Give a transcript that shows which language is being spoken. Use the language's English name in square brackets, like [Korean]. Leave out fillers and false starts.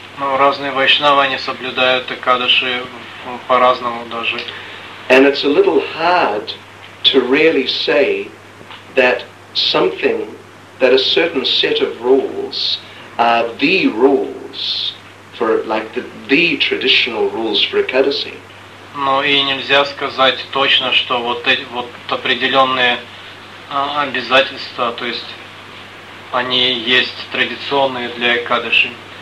[Russian] Ну, разные вайшнавы, они соблюдают Экадаши по-разному даже. [English] And it's a little hard to really say that something, that a certain set of rules are the rules for, like, the traditional rules for Ekadasi. [Russian] Ну, и нельзя сказать точно, что вот эти вот определенные обязательства, то есть они есть традиционные для Экадаши.